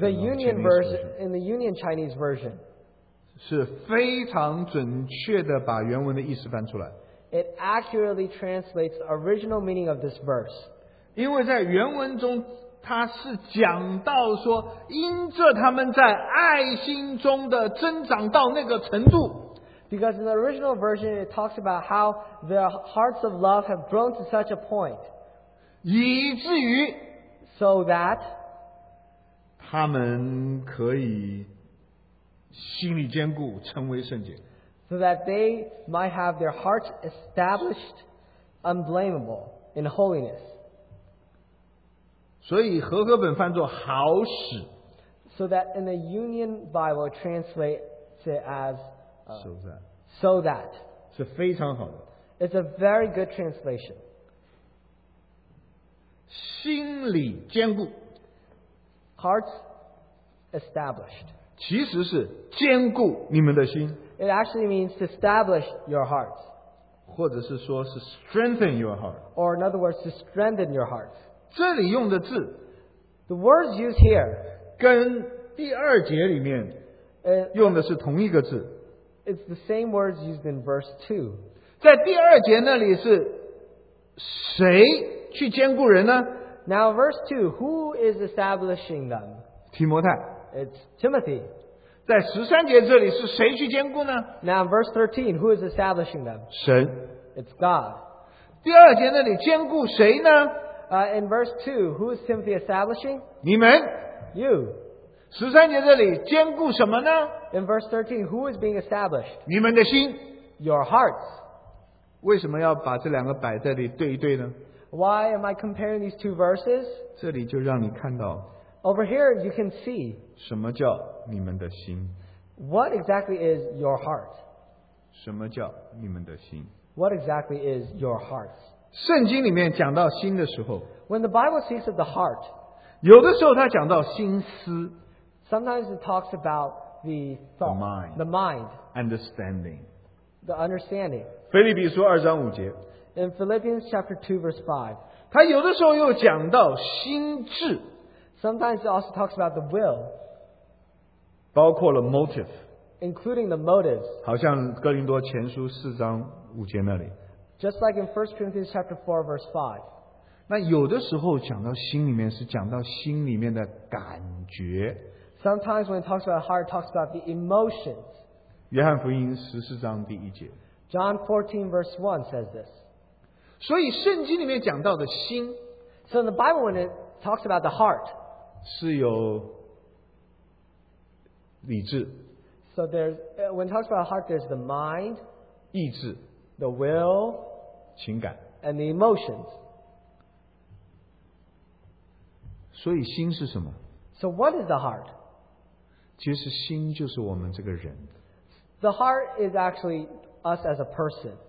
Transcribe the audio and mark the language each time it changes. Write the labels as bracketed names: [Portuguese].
[English] the Union version, in the Union Chinese version. [Chinese] 是非常准确的把原文的意思翻出来。 [English] It accurately translates the original meaning of this verse. [Chinese] 因为在原文中，它是讲到说，因着他们在爱心中的增长到那个程度。 [English] Because in the original version, it talks about how their hearts of love have grown to such a point. [Chinese] 以至于, [English] so that [Chinese] 他们可以心里坚固, [English] so that they might have their hearts established unblameable in holiness. [Chinese] 所以和合本翻作好使, [English] so that in the Union Bible translates it as so that. [Chinese] 是非常好的, [English] it's a very good translation. [Chinese] 心理坚固, [English] hearts established. [Chinese] 其实是坚固你们的心, [English] it actually means to establish your hearts. [Chinese] 或者是说是 [English] strengthen your heart. Or in other words, to strengthen your hearts. [Chinese] 这里用的字, [English] the words used here, [Chinese] 跟第二节里面用的是同一个字, [English] it's the same words used in verse 2. [Chinese] 在第二节那里是谁去兼顾人呢? [English] Now verse 2, who is establishing them? [Chinese] 提摩太, [English] it's Timothy. [Chinese] 在13节这里是谁去兼顾呢? [English] Now verse 13, who is establishing them? [Chinese] 神, [English] it's God. [Chinese] 第二节那里兼顾谁呢? [English] In verse 2, who is Timothy establishing? [Chinese] 你们, [English] you. [Chinese] 13节这里兼顾什么呢? [English] In verse 13, who is being established? [Chinese] 你们的心, [English] your hearts. [Chinese] 为什么要把这两个摆在这里对一对呢? [English] Why am I comparing these two verses? [Chinese] 这里就让你看到, [English] over here you can see [Chinese] 什么叫你们的心? [English] What exactly is your heart? [Chinese] 什么叫你们的心? [English] What exactly is your heart? [Chinese] 圣经里面讲到心的时候, [English] when the Bible speaks of the heart, [Chinese] 有的时候它讲到心思, [English] sometimes it talks about the thought, the mind, understanding, the understanding. [Chinese] 腓立比书2章5节, [English] in Philippians chapter 2 verse 5, [Chinese] 它有的时候又讲到心智, [English] sometimes it also talks about the will, [Chinese] 包括了 motive, [English] including the motives, [Chinese] 好像哥林多前书4章5节那里, [English] just like in 1 Corinthians chapter 4 verse 5. [Chinese] 那有的时候讲到心里面是讲到心里面的感觉, [English] sometimes when it talks about heart, it talks about the emotions. [Chinese] 约翰福音14章第一节, [English] John 14 verse 1 says this. [Chinese] 所以圣经里面讲到的心, [English] so in the Bible when it talks about the heart, [Chinese] 是有理智, [English] so there's, when it talks about the heart, there's the mind, [Chinese] 意志, [English] the will, [Chinese] 情感, [English] and the emotions. [Chinese] 所以心是什么? [English] So what is the heart? [Chinese] 其实心就是我们这个人, [English] the heart is actually us as a person.